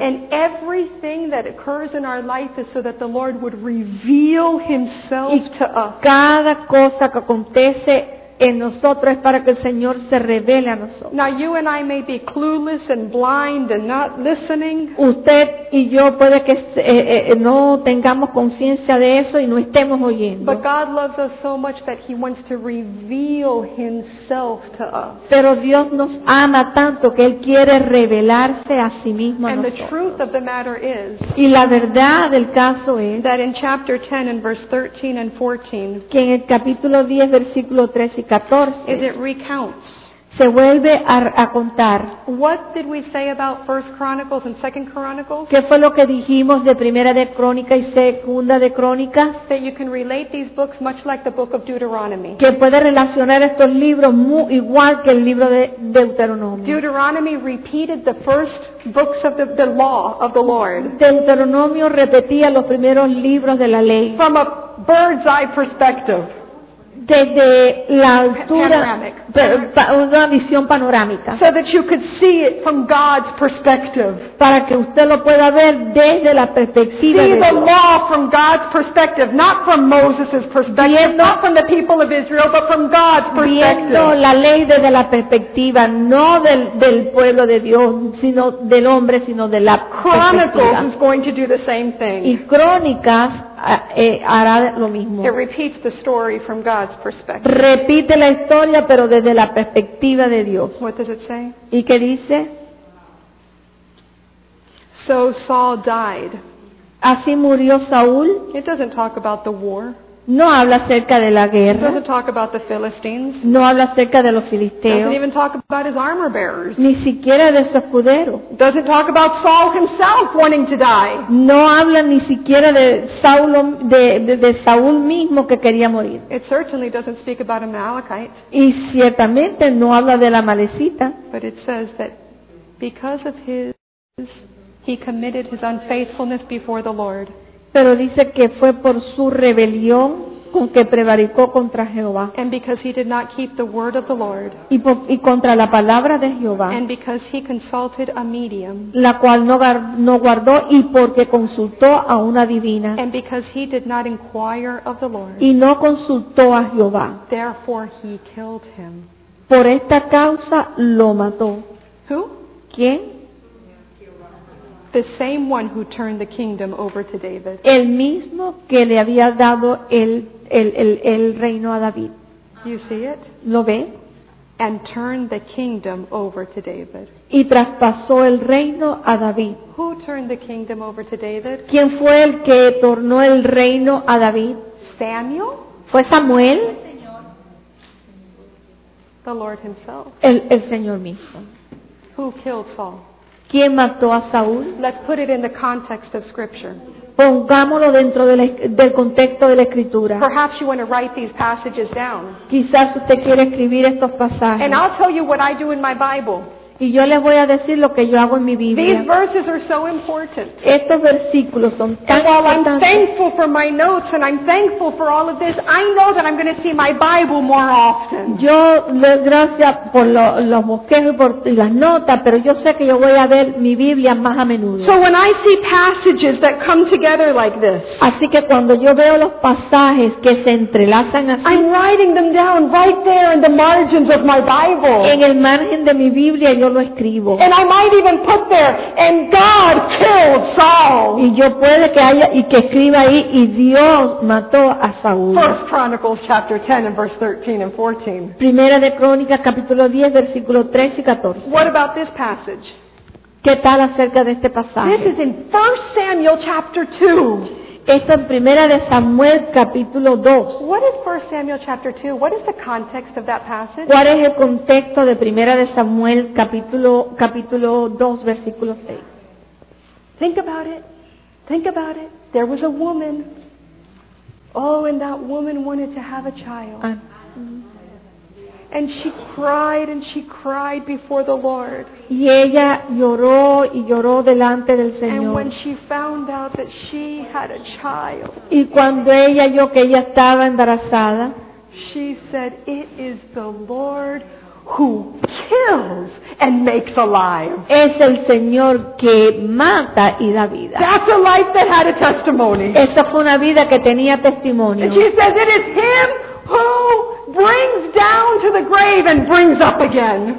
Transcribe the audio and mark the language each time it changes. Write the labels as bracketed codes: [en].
[en] And everything that occurs in our life is so that the Lord would reveal Himself to us. [es] Cada cosa que acontece en nosotros es para que el Señor se revele a nosotros. [en] Now you and I may be clueless and blind and not listening. [es] Usted y yo puede que no tengamos conciencia de eso y no estemos oyendo. [en] But God loves us so much that He wants to reveal Himself to us. [es] Pero Dios nos ama tanto que Él quiere revelarse a sí mismo a nosotros. [en] And the truth of the matter is, [es] y la verdad del caso es [en] that in chapter 10 and verse 13 and 14, [es] que en el capítulo 10 versículo 13 14, [en] is it recounts? [es] Se vuelve a contar. [en] What did we say about First Chronicles and Second Chronicles? [es] ¿Qué fue lo que dijimos de Primera de Crónica y Segunda de Crónica? [en] That you can relate these books much like the book of Deuteronomy. [es] Que puede relacionar estos libros muy igual que el libro de Deuteronomio. [en] Deuteronomy repeated the first books of the law of the Lord. [es] Deuteronomio repetía los primeros libros de la ley. [en] From a bird's eye perspective. [es] Desde la altura, una visión panorámica. [en] So that you could see it from God's perspective. [es] Para que usted lo pueda ver desde la perspectiva [en] see [es] de Dios. [en] See the law from God's perspective, not from Moses' perspective, [es] viendo, [en] not from the people of Israel, but from God's perspective. [es] Viendo la ley desde la perspectiva, no del pueblo de Dios, sino del hombre, sino de la [en] Chronicles [es] perspectiva. [en] Is going to do the same thing. [es] Y Crónicas hará lo mismo. [en] It repeats the story from God's perspective. [es] Repite la historia, pero desde la perspectiva de Dios. [en] What does it say? [es] ¿Y qué dice? [en] So Saul died. [es] Así murió Saúl. [en] It doesn't talk about the war. [es] No habla acerca de la guerra. [en] It doesn't talk about the Philistines. [es] No habla acerca de los filisteos. [en] Doesn't even talk about his armor bearers. [es] Ni siquiera de su escudero. [en] Doesn't talk about Saul himself wanting to die. [es] No habla ni siquiera de Saúl de Saúl mismo que quería morir. [en] It certainly doesn't speak about Amalekite. [es] Y ciertamente no habla de la Amalecita. [en] But it says that because of his he committed his unfaithfulness before the Lord. [es] Pero dice que fue por su rebelión con que prevaricó contra Jehová. [en] And because he did not keep the word of the Lord. [es] Y contra la palabra de Jehová. [en] And because he consulted a medium. [es] La cual no guardó y porque consultó a una divina. [en] And because he did not inquire of the Lord. [es] Y no consultó a Jehová. [en] Therefore he killed him. [es] Por esta causa lo mató. [en] Who? [es] ¿Quién? [en] The same one who turned the kingdom over to David. [es] El mismo que le había dado el reino a David. [en] You see it? [es] ¿Lo ve? [en] And turned the kingdom over to David. [es] Y traspasó el reino a David. [en] Who turned the kingdom over to David? [es] ¿Quién fue el que tornó el reino a David? [en] Samuel? [es] ¿Fue Samuel? [en] The Lord himself. [es] El Señor mismo. [en] Who killed Saul? [es] ¿Quién mató a Saúl? [en] Let's put it in the context of Scripture. [es] Pongámoslo dentro del contexto de la Escritura. [en] Perhaps you want to write these passages down. [es] Quizás usted quiere escribir estos pasajes. [en] And I'll tell you what I do in my Bible. [es] Y yo les voy a decir lo que yo hago en mi Biblia. [en] These verses are so important. [es] Estos versículos son tan [en] and while [es] importantes. [en] I'm thankful for my notes and I'm thankful for all of this, I know that I'm going to see my Bible more often. [es] Yo le doy gracias por los bosquejos y las notas, pero yo sé que yo voy a ver mi Biblia más a menudo. [en] So when I see passages that come together like this, [es] así que cuando yo veo los pasajes que se entrelazan así, [en] I'm writing them down right there in the margins of my Bible. [es] En el margen de mi Biblia yo lo escribo. [en] And I might even put there, and God killed Saul. [es] Y yo puede que haya y que escriba ahí y Dios mató a Saúl. [en] First Chronicles chapter 10 and verse 13 and 14. [es] Primera de Crónicas capítulo 10 versículo 13 y 14. [en] What about this passage? [es] ¿Qué tal acerca de este pasaje? [en] This is in 1 Samuel chapter 2. [es] Esto en Primera de Samuel capítulo 2. [en] What is 1 Samuel chapter 2? What is the context of that passage? [es] ¿Cuál es el contexto de Primera de Samuel capítulo 2 versículo 6? [en] Think about it. Think about it. There was a woman. Oh, and that woman wanted to have a child. And she cried before the Lord. [es] Y ella lloró y lloró delante del Señor. [en] And when she found out that she had a child. [es] Y cuando ella vio que ella estaba embarazada, [en] she said, "It is the Lord who kills and makes alive. [es] Es el Señor que mata y da vida. [en] That's a life that had a testimony. [es] Esa fue una vida que tenía testimonio. [en] And she says it is Him who brings down to the grave and brings up again.